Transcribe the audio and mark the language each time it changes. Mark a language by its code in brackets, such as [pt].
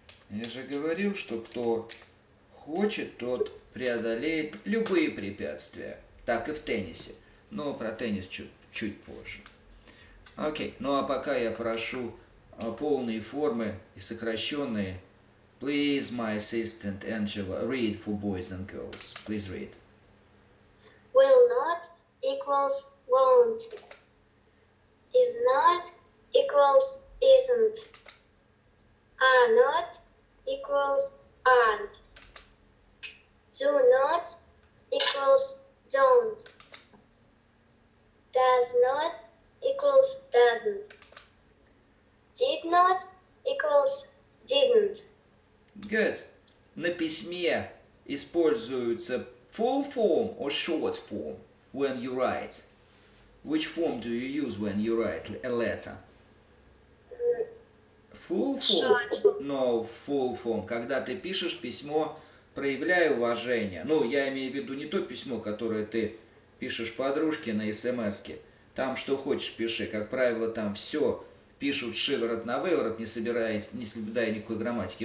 [ru] Я же говорил, что кто хочет, тот преодолеет любые препятствия. Так и в теннисе. Но про теннис чуть позже. Окей. Ну а пока я прошу полные формы и сокращенные. [en] Please, my assistant Angela, read for boys and girls. Please read. Will not equals won't. is not equals isn't. Are not equals aren't. Do not equals don't. Does not equals doesn't. Did not equals didn't. Good. [ru] На письме используется [en] full form or short form when you write? Which form do you use when you write a letter? Full form? No, full form. [ru] Когда ты пишешь письмо, проявляя уважение. Ну, я имею в виду не то письмо, которое ты пишешь подружке на смс-ке. Там что хочешь пиши. Как правило, там все пишут шиворот на выворот, не соблюдая никакой грамматики.